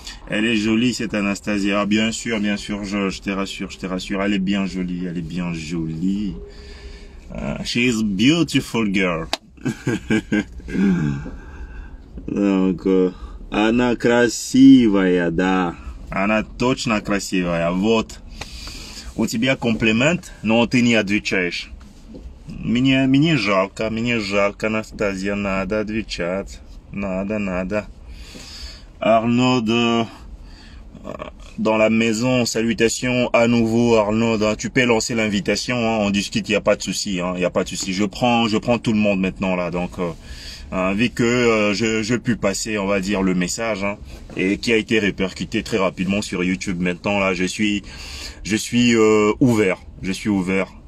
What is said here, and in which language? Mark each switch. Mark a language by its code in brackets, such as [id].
[fr] Elle est jolie, cette Anastasia. Ah, bien sûr, je te rassure, je te rassure. Elle est bien jolie, elle est bien jolie. [en] She is beautiful girl. [ru] Donc, Anna красивая, да. Anna точно красивая, вот. У тебя комплимент, но ты не отвечаешь. Мне жалко, Анастасия, надо отвечать. Надо. [fr] Arnaud, dans la maison, salutations à nouveau, Arnaud. Tu peux lancer l'invitation, hein, on discute, il n'y a pas de souci, hein, il n'y a pas de souci. Je prends tout le monde maintenant, là, donc. Vu que je pu passer, on va dire, le message, hein, et qui a été répercuté très rapidement sur YouTube. Maintenant là, je suis ouvert, je suis ouvert.